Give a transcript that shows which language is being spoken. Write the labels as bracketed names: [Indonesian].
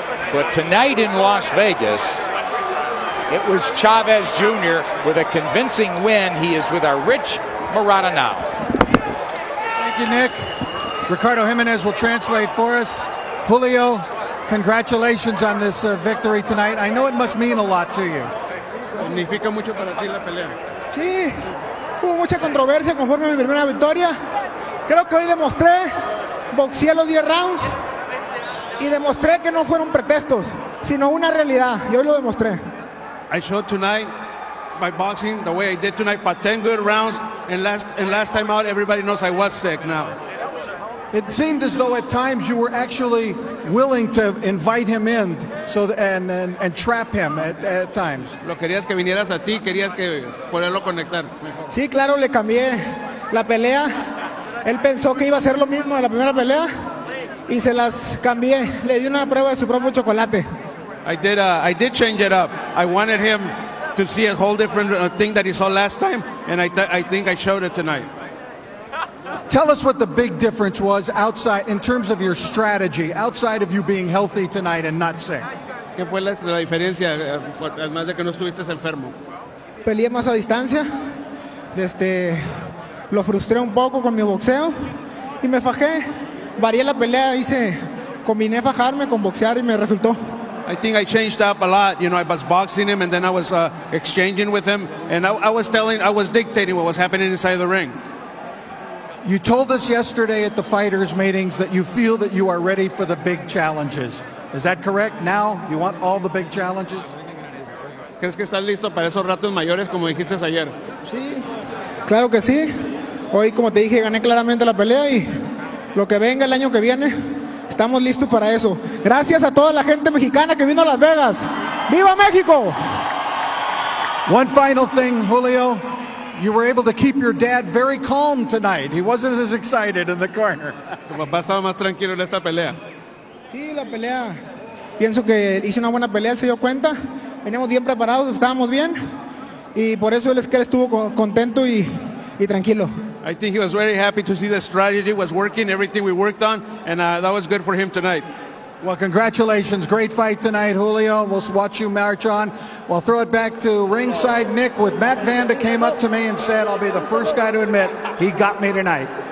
[English] But tonight in Las Vegas, it was Chavez Jr. with a convincing win. He is with our Rich Marotta now. Thank you, Nick. Ricardo Jimenez will translate for us. Julio, congratulations on this victory tonight. I know it must mean a lot to you. [Spanish] Significa mucho para ti la pelea. Sí, hubo mucha controversia conforme a mi primera victoria. Creo que hoy demostré, boxeé los 10 rounds y demostré que no fueron pretextos, sino una realidad. Y hoy lo demostré. [English] I showed tonight by boxing the way I did tonight for 10 good rounds and last time out everybody knows I was sick now. It seemed as though at times you were actually willing to invite him in and trap him at times. [Spanish] Lo querías que vinieras a ti, querías que poderlo conectar. Sí, claro, le cambié la pelea. Él pensó que iba a ser lo mismo de la primera pelea y se las cambié. Le di una prueba de su propio chocolate. [English] I did change it up. I wanted him to see a whole different thing that he saw last time, and I think I showed it tonight. Tell us what the big difference was outside, in terms of your strategy, outside of you being healthy tonight and not sick. [Spanish] ¿Qué fue la diferencia, además de que no estuviste enfermo? Peleé más a distancia. Lo frustré un poco con mi boxeo, y me fajé. Varié la pelea, combiné fajarme con boxear, y me resultó. [English] I think I changed up a lot. You know, I was boxing him and then I was exchanging with him. And I was dictating what was happening inside the ring. You told us yesterday at the fighters' meetings that you feel that you are ready for the big challenges. Is that correct? Now you want all the big challenges? [Spanish] ¿Crees que estás listo para esos ratos mayores como dijiste ayer? Sí, claro que sí. Hoy, como te dije, gané claramente la pelea y lo que venga el año que viene. Estamos listos para eso. Gracias a toda la gente mexicana que vino a Las Vegas. ¡Viva México! [English] One final thing, Julio. You were able to keep your dad very calm tonight. He wasn't as excited in the corner. [Spanish] Tu papá estaba más tranquilo en esta pelea. Sí, la pelea. Pienso que hice una buena pelea, se dio cuenta. Veníamos bien preparados, estábamos bien. Y por eso es que él estuvo contento y tranquilo. [English] I think he was very happy to see the strategy was working, everything we worked on, and that was good for him tonight. Well, congratulations. Great fight tonight, Julio. We'll watch you march on. We'll throw it back to ringside Nick with Matt Vanda came up to me and said, I'll be the first guy to admit he got me tonight.